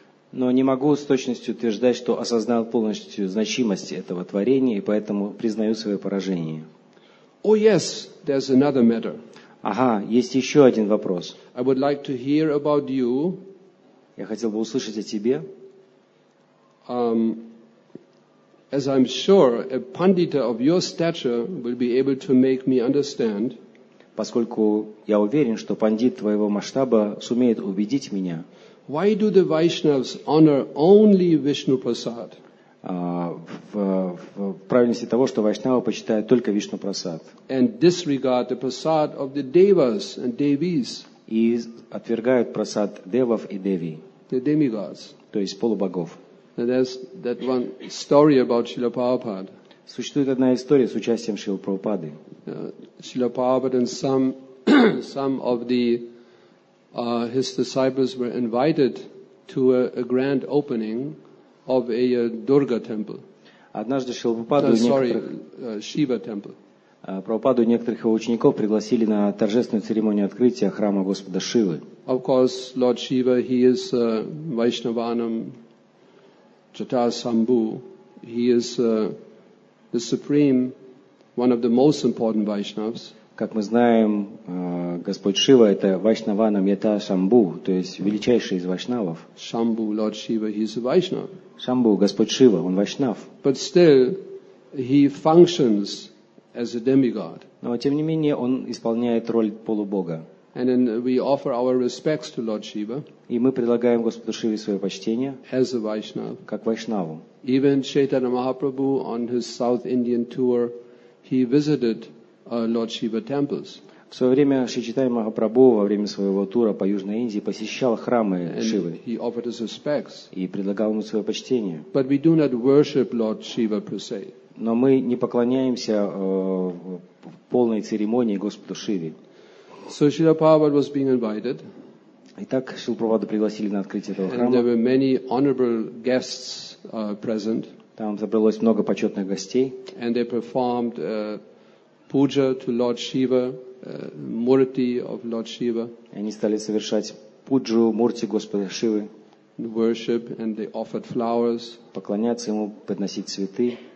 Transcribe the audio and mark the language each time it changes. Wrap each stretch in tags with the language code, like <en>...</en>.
<ru>Но не могу с точностью утверждать, что осознал полностью значимость этого творения, и поэтому признаю свое поражение.</ru> <en>Oh, yes, there's another matter.</en> <ru>Ага, есть еще один вопрос.</ru> <en>I would like to hear about you.</en> <ru>Я хотел бы услышать о тебе.</ru> <en>As I'm sure, a pandita of your stature will be able to make me understand.</en> <ru>Поскольку я уверен, что пандит твоего масштаба сумеет убедить меня.</ru> <en>Why do the Vaishnavas honor only Vishnu Prasad?</en> <ru>В правильности того, что Вайшнавы почитают только Вишну Прасад.</ru> <en>And disregard the Prasad of the Devas and Devis.</en> <ru>И отвергают Прасад Девов и Деви.</ru> <en>The demigods.</en> <ru>То есть полубогов.</ru> <en>And there's that one story about Srila Prabhupada.</en> <ru>Существует одна история с участием Шрилы Прабхупады.</ru> <en>Srila Prabhupada and some of the his disciples were invited to a grand opening of a Durga temple.</en> <ru>Однажды Шрила Прабхупаду</ru> <en>Шива temple.</en> <ru>Прабхупаду некоторых его учеников пригласили на торжественную церемонию открытия храма Господа Шивы.</ru> <en>Of course, Lord Shiva, he is Vaishnavanam Jatasambhu. He is the supreme, one of the most important Vaishnavas.</en> <ru>Как мы знаем, Господь Шива – это Вайшнавана Мьята Шамбу, то есть величайший из вайшнавов.</ru> <en>Шамбу, Lord Shiva, he is a Vaishnav.</en> <ru>Шамбу, Господь Шива, он вайшнав.</ru> <en>But still, he functions as a demigod.</en> <ru>Но тем не менее, он исполняет роль полубога.</ru> <en>And then we offer our respects to Lord Shiva.</en> <ru>И мы предлагаем Господу Шиве свое почтение.</ru> <en>As a Vaishnav.</en> <ru>Как вайшнаву.</ru> <en>Even Chaitanya Mahaprabhu on his South Indian tour, he visited Lord Shiva temples.</en> <ru>В свое время Шри Чайтанья Махапрабху во время своего тура по Южной Индии посещал храмы Шивы.</ru> <en>He offered his respects.</en> <ru>И предлагал ему свое почтение.</ru> <en>But we do not worship Lord Shiva per se.</en> <ru>Но мы не поклоняемся полной церемонии Господу Шиве.</ru> <en>So Srila Prabhupada was being invited.</en> <ru>Итак, Шрилу Прабхупаду пригласили на открытие этого храма.</ru> <en>And there were many honorable guests present.</en> <ru>Там собралось много почетных гостей.</ru> <en>And they performed puja to Lord Shiva, murti of Lord Shiva.</en> <ru>Они стали совершать пуджу, мурти Господа Шивы.</ru> <en>Worship and they offered flowers.</en> <ru>Поклоняться ему, подносить цветы.</ru>